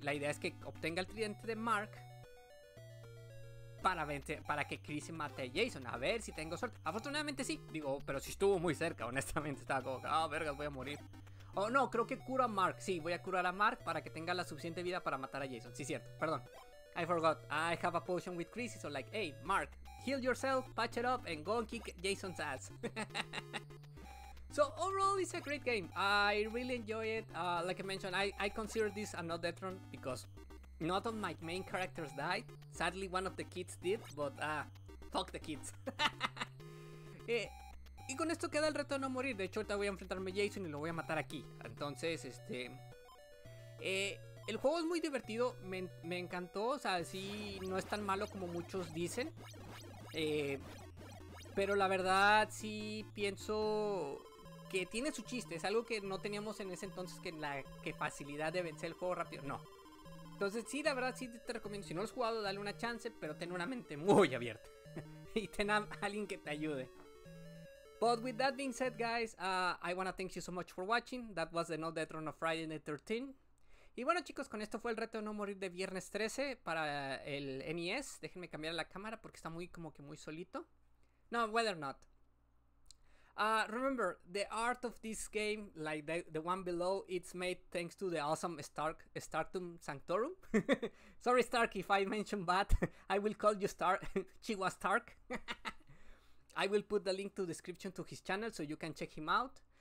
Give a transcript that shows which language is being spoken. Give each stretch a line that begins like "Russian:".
Spanish: La idea es que obtenga el tridente de Mark para que Chrissy mate a Jason. A ver si tengo suerte. Afortunadamente sí, digo, pero si estuvo muy cerca, honestamente. Estaba como, ah, oh, vergas, voy a morir. Oh, no, creo que curo a Mark. Sí, voy a curar a Mark para que tenga la suficiente vida para matar a Jason. Sí, cierto, perdón.
English: I forgot, I have a potion with Chrissy, so like, hey, Mark, heal yourself, patch it up, and go and kick Jason's ass. So overall, it's a great game. I really enjoy it. Like I mentioned, I consider this a not death run because none of my main characters died. Sadly, one of the kids did, but fuck the kids.
Spanish: Y con esto queda el reto de no morir. De hecho, ahorita voy a enfrentarme a Jason y lo voy a matar aquí. Entonces, el juego es muy divertido, me encantó, o sea, sí, no es tan malo como muchos dicen. Pero la verdad, sí pienso que tiene su chiste, es algo que no teníamos en ese entonces, que facilidad de vencer el juego rápido, no. Entonces sí, la verdad, sí te recomiendo, si no lo has jugado, dale una chance, pero ten una mente muy abierta. Y ten a alguien que te ayude.
English: But with that being said, guys, I wanna thank you so much for watching. That was the No Death Run of Friday the 13th.
Spanish: Y bueno, chicos, con esto fue el reto de no morir de viernes 13 para el NES. Déjenme cambiar la cámara porque está muy como que muy solito.
English: No, whether not. Remember, the art of this game, like the one below, it's made thanks to the awesome Starktum Sanctorum. Sorry, Stark, if I mention bad, I will call you Stark. Chihuahua Stark. I will put the link to the description to his channel so you can check him out.